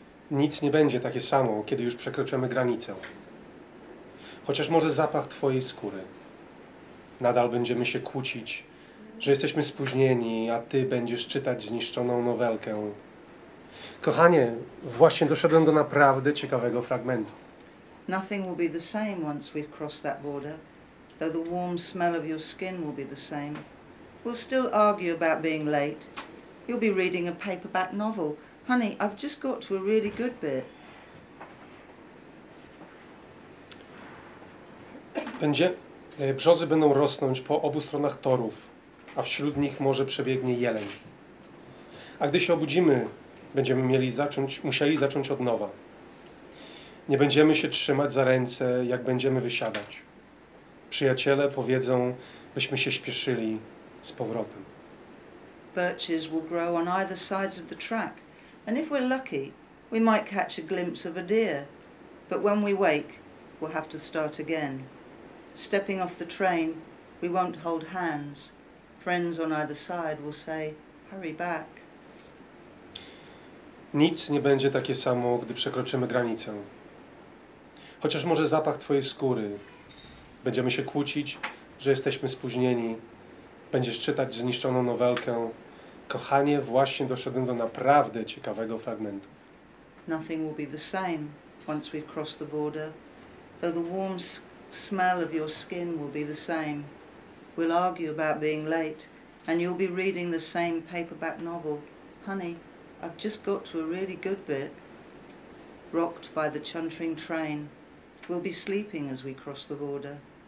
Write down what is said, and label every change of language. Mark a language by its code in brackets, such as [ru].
[pl] Nic nie będzie takie samo, kiedy już przekroczymy granicę. Chociaż może zapach twojej skóry. Nadal będziemy się kłócić, że jesteśmy spóźnieni, a ty będziesz czytać zniszczoną nowelkę. Kochanie, właśnie doszedłem do naprawdę ciekawego fragmentu. [en] Nothing will be the same once we've crossed that border, though the warm smell of your skin will be the same. We'll still argue about being late. You'll be reading a paperback novel. Honey, I've just got to a really good bit. [pl] Brzozy będą rosnąć po obu stronach torów, a wśród nich może przebiegnie jeleń. A gdy się obudzimy, będziemy musieli zacząć od nowa. Nie będziemy się trzymać za ręce, jak będziemy wysiadać. Przyjaciele powiedzą, byśmy się śpieszyli z powrotem. [en] Birches will grow on either sides of the track, and if we're lucky, we might catch a glimpse of a deer. But when we wake, we'll have to start again. Stepping off the train, we won't hold hands. Friends on either side will say, hurry back. [pl] Nic nie będzie takie samo, gdy przekroczymy granicę. Chociaż może zapach twojej skóry. Będziemy się kłócić, że jesteśmy spóźnieni. Będziesz czytać zniszczoną nowelkę. Kochanie, właśnie doszedłem do naprawdę ciekawego fragmentu. [en] Nothing will be the same once we've crossed the border. Though the warm smell of your skin will be the same. We'll argue about being late, and you'll be reading the same paperback novel. Honey, I've just got to a really good bit. Rocked by the chuntering train, we'll be sleeping as we cross the border.